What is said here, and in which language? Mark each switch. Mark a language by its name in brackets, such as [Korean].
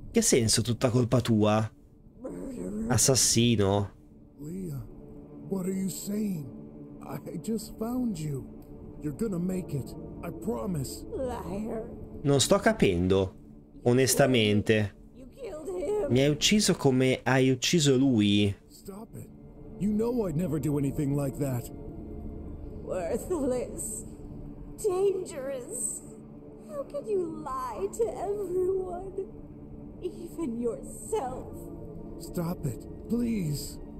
[Italian] Che senso tutta colpa tua? Assassino. [English] Leah, what are you saying? I just found you. You're gonna make it. I promise. Liar. [Italian] Non sto capendo, onestamente. [English] You killed him. [Italian] Mi hai ucciso come hai ucciso lui. [English] Stop it. You know I'd never do anything like that. Worthless. Dangerous. How can you lie to everyone? Even yourself. Stop it, please.